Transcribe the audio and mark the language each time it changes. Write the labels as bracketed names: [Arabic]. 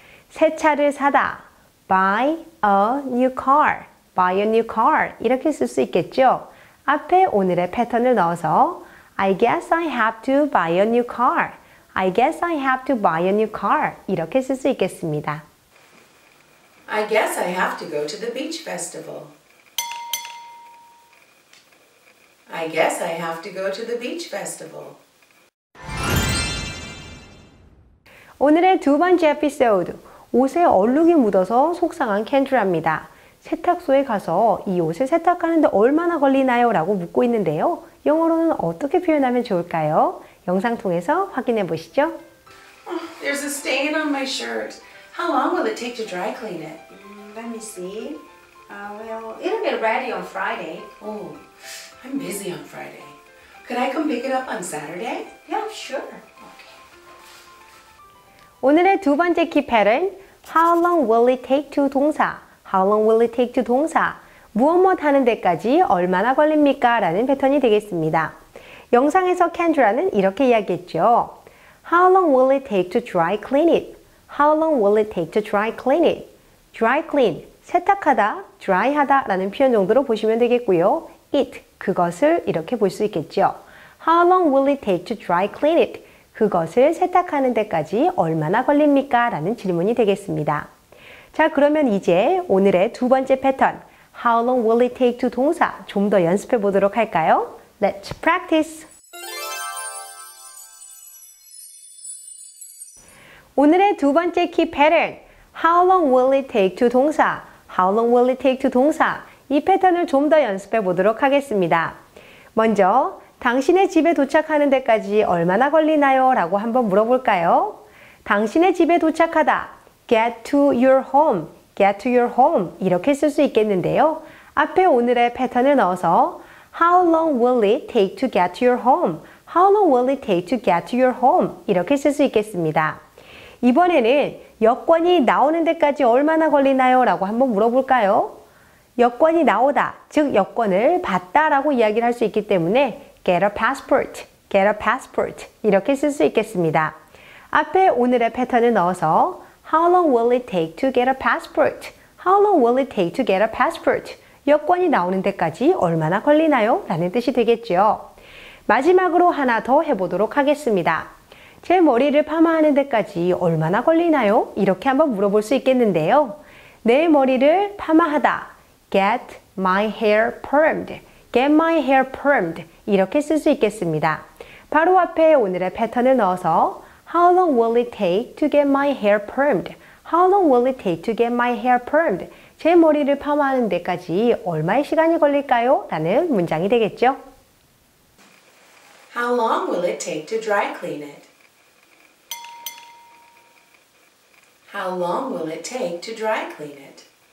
[Korean] 새 차를 사다. [English] Buy a new car. [Korean] 이렇게 쓸 수 있겠죠? 앞에 오늘의 패턴을 넣어서 [English] I guess I have to buy a new car. I guess I have to buy a new car. [Korean] 이렇게 쓸 수 있겠습니다. [English] I guess I have to go to the beach festival. I guess I have to go to the beach festival. [Korean] 오늘의 두 번째 에피소드. 옷에 얼룩이 묻어서 속상한 켄드라입니다. 세탁소에 가서 이 옷을 세탁하는데 얼마나 걸리나요? 라고 묻고 있는데요. 영어로는 어떻게 표현하면 좋을까요? 영상 통해서 확인해 보시죠. [English] There's a stain on my shirt. How long will it take to dry clean it? Let me see. Well, it'll get ready on Friday. Oh, I'm busy on Friday. Could I come pick it up on Saturday? Yeah, sure. [Korean] 오늘의 두 번째 [English] key pattern, How long will it take to 동사? How long will it take to 동사? [Korean] 무엇 무엇 하는 데까지 얼마나 걸립니까? 라는 패턴이 되겠습니다. 영상에서 켄드라는 이렇게 이야기했죠. [English] How long will it take to dry clean it? How long will it take to dry clean it? [Korean] Dry clean, 세탁하다, dry 하다 라는 표현 정도로 보시면 되겠고요. It, 그것을 이렇게 볼 수 있겠죠. [English] How long will it take to dry clean it? [Korean] 그것을 세탁하는 데까지 얼마나 걸립니까? 라는 질문이 되겠습니다. 자, 그러면 이제 오늘의 두 번째 패턴, [English] How long will it take to [Korean] 동사 좀 더 연습해 보도록 할까요? [English] Let's practice! [Korean] 오늘의 두 번째 [English] key pattern, How long will it take to 동사? How long will it take to 동사? [Korean] 이 패턴을 좀 더 연습해 보도록 하겠습니다. 먼저 당신의 집에 도착하는 데까지 얼마나 걸리나요? 라고 한번 물어볼까요? 당신의 집에 도착하다. [English] Get to your home. Get to your home. [Korean] 이렇게 쓸 수 있겠는데요. 앞에 오늘의 패턴을 넣어서 [English] How long will it take to get to your home? How long will it take to get to your home? [Korean] 이렇게 쓸 수 있겠습니다. 이번에는 여권이 나오는 데까지 얼마나 걸리나요? 라고 한번 물어볼까요? 여권이 나오다, 즉 여권을 받다 라고 이야기를 할 수 있기 때문에 [English] get a passport, get a passport [Korean] 이렇게 쓸 수 있겠습니다. 앞에 오늘의 패턴을 넣어서 [English] How long will it take to get a passport? How long will it take to get a passport? [Korean] 여권이 나오는 데까지 얼마나 걸리나요? 라는 뜻이 되겠죠. 마지막으로 하나 더 해보도록 하겠습니다. 제 머리를 파마하는 데까지 얼마나 걸리나요? 이렇게 한번 물어볼 수 있겠는데요. 내 머리를 파마하다. [English] Get my hair permed. Get my hair permed. [Korean] 이렇게 쓸 수 있겠습니다. 바로 앞에 오늘의 패턴을 넣어서 [English] How long will it take to get my hair permed? How long will it take to get my hair permed? [Korean] 제 머리를 파마하는 데까지 얼마의 시간이 걸릴까요? 라는 문장이 되겠죠. [English] How long will it take to dry clean it? How long will it take to dry clean it?